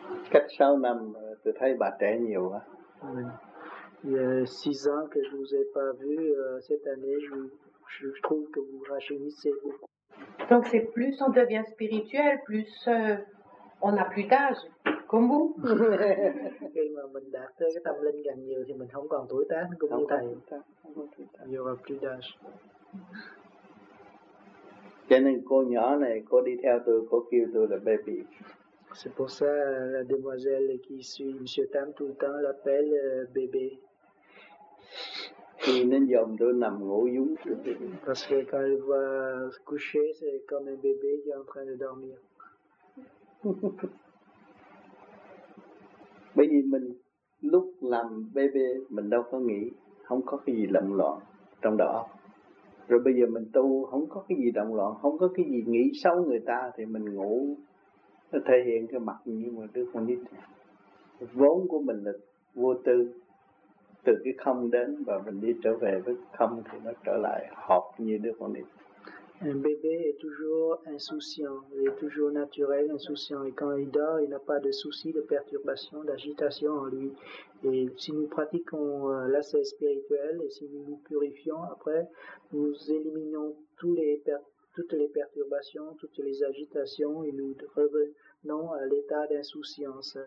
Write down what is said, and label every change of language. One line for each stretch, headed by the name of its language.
Vietnamese: Cách 6 năm tôi thấy bà trẻ nhiều quá.
French: Il y a 6 ans que je vous ai pas vu cette année, je trouve que vous rajeunissez beaucoup. Donc c'est plus on devient spirituel, plus on a plus d'âge comme vous.
Vietnamese: Khi mà mình đạt tới cái tâm linh càng nhiều thì mình không còn tuổi tác cũng như thầy.
French: Il y aura plus d'âge.
Vietnamese: Cho nên cô nhỏ này cô đi theo tôi, cô kêu tôi là baby.
French: C'est pour ça la demoiselle qui suit M. Tam tout le temps l'appelle bébé. Parce que quand elle voit se coucher, c'est comme un bébé qui est en train de dormir.
Vietnamese: Bởi mình lúc làm bébé mình đâu có nghĩ, không có cái gì lộn loạn trong đó. Rồi bây giờ mình tu không có cái gì động loạn, không có cái gì nghĩ xấu người ta thì mình ngủ nó thể hiện cái mặt như mà đứa con nít. Vốn của mình là vô tư, từ cái không đến và mình đi trở về với không thì nó trở lại hợp như đứa con nít.
French: Un bébé est toujours insouciant, il est toujours naturel, insouciant. Et quand il dort, il n'a pas de soucis, de perturbations, d'agitation en lui. Et si nous pratiquons l'ascèse spirituelle et si nous nous purifions, après, nous éliminons toutes les perturbations, toutes les agitations et nous revenons à l'état d'insouciance.